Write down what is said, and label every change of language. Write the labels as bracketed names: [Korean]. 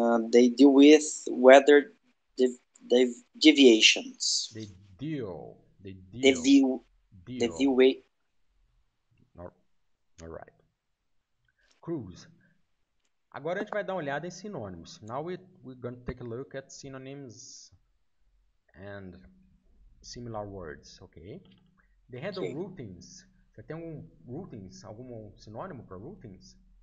[English] They deal with weather deviations. They deal. They deal. They view. Deal. They view weight. All right. Cruise. [Portuguese] Agora a gente vai dar uma olhada em sinônimos. [English] Now we're going to take a look at synonyms and similar words, ok? They handle okay. Routines. [Portuguese] Você tem algum routines, algum sinônimo para routines?